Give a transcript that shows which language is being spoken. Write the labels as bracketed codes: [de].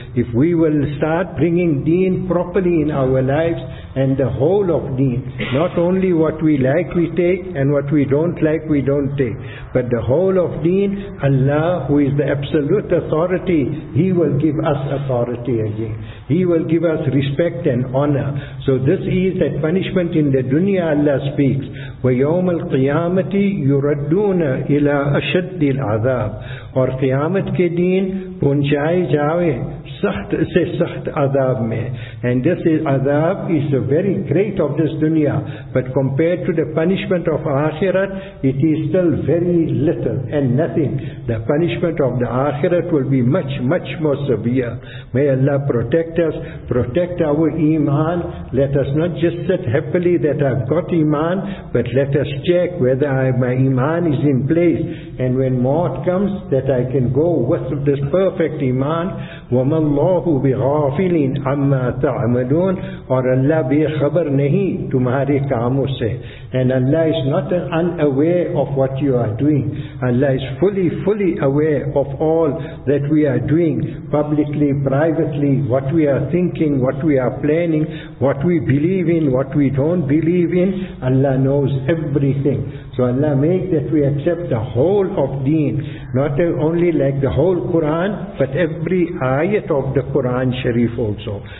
[en] If we will start bringing deen properly in our lives, and the whole of deen, not only what we like we take, and what we don't like we don't take, but the whole of deen, Allah, who is the absolute authority, He will give us authority again. He will give us respect and honor. So this is that punishment in the dunya Allah speaks. [ar] وَيَوْمَ الْقِيَامَةِ يُرَدُّونَ إِلَىٰ أَشَدِّ الْعَذَابِ. [ur] اور قیامت کے دین پہنچائے جاوے سخت سے سخت عذاب میں. [en] And this is, azab is the very great of this dunya, but compared to the punishment of akhirat, it is still very little and nothing. The punishment of the akhirat will be much, much more severe. May Allah protect us, protect our iman. Let us not just sit happily that I've got iman, but let us check whether my iman is in place, and when maut comes, that I can go with this perfect iman. [ar] وَمَاللَّهُ بِغَافِلٍ عَمَّا تَعْمَلُونَ. [ur] اور اللہ بے خبر نہیں تمہارے کاموں سے. [en] And Allah is not unaware of what you are doing. Allah is fully aware of all that we are doing, publicly, privately, what we are thinking, what we are planning, what we believe in, what we don't believe in. Allah knows everything. So Allah make that we accept the whole of deen, not only like the whole Quran, but every ayat of the Quran Sharif also.